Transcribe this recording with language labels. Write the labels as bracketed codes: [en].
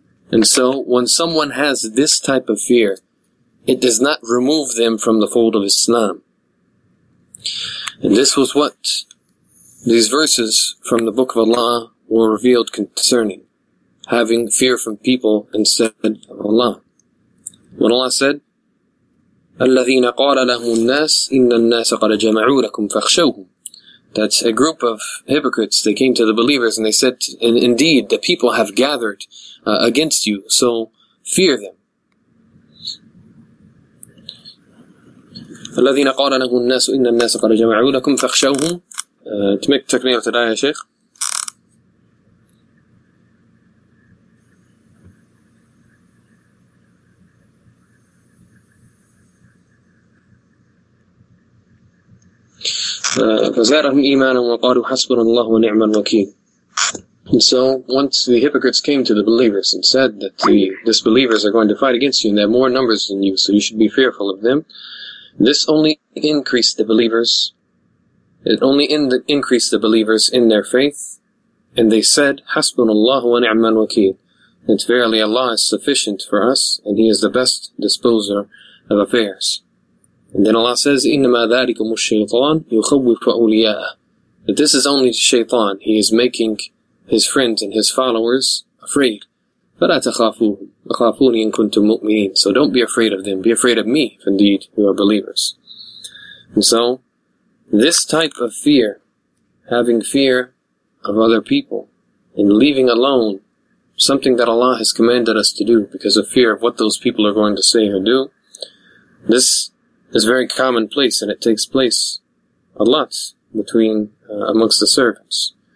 [en] And so, when someone has this type of fear, it does not remove them from the fold of Islam. And this was what these verses from the Book of Allah were revealed concerning, having fear from people instead of Allah. When Allah said, [ar] الَّذِينَ قَالَ لَهُمُ النَّاسُ إِنَّ النَّاسَ قَدَ جَمَعُوا لَكُمْ فَخْشَوْهُمْ. [en] That's a group of hypocrites. They came to the believers and they said, indeed, the people have gathered against you, so fear them. [ar] الَّذِينَ قَالَ لَهُمُ النَّاسُ إِنَّ النَّاسَ قَدَ جَمَعُوا لَكُمْ فَخْشَوْهُمْ. [en] To make taqniya of today, Shaykh. [ar] فَزَارَهُمْ إِيمَانًا وَقَالُوا حَسْبُنَا اللَّهُ وَنِعْمَ الْوَكِيلُ. [en] And so, once the hypocrites came to the believers and said that the disbelievers are going to fight against you and they have more numbers than you, so you should be fearful of them, this only increased the believers. It only increased the believers in their faith, and they said, [ar] حَسْبُنَا اللَّهُ وَنِعْمَ الْوَكِيلُ. [en] That verily Allah is sufficient for us, and He is the best disposer of affairs. And then Allah says, [ar] إِنَّمَا ذَٰلِكُمُ الشَّيْطَانُ يُخَوِّفُ أَوْلِيَاءَ. [en] That this is only shaitan. He is making his friends and his followers afraid. [ar] فَلَا تَخَافُونِ إِن كُنْتُم مُؤْمِنِينَ. [en] So don't be afraid of them. Be afraid of me, if indeed you are believers. And so, this type of fear, having fear of other people, and leaving alone something that Allah has commanded us to do because of fear of what those people are going to say or do, this is very commonplace, and it takes place a lot between amongst the servants.